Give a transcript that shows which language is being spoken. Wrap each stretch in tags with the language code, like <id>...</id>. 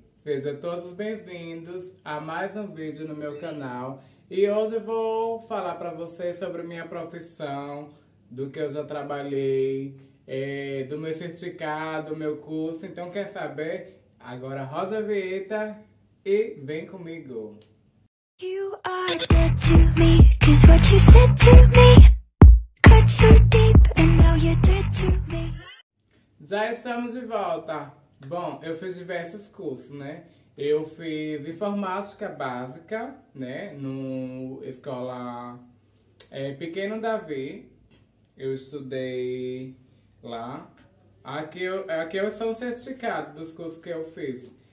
<pt>Sejam todos bem-vindos a mais um vídeo no meu canal. E hoje eu vou falar para vocês sobre minha profissão, do que eu já trabalhei, do meu certificado, do meu curso. Então, quer saber? Agora, Rosa Vieta, e vem comigo!</pt> <en>You are dead to me, 'cause what you said to me cut so deep, and now you're dead to me.</en> <pt>Já estamos de volta! Bom, eu fiz diversos cursos, né? Eu fiz informática básica, né? No escola Pequeno Davi. Eu estudei lá. Aqui eu sou o certificado dos cursos que eu fiz.</pt>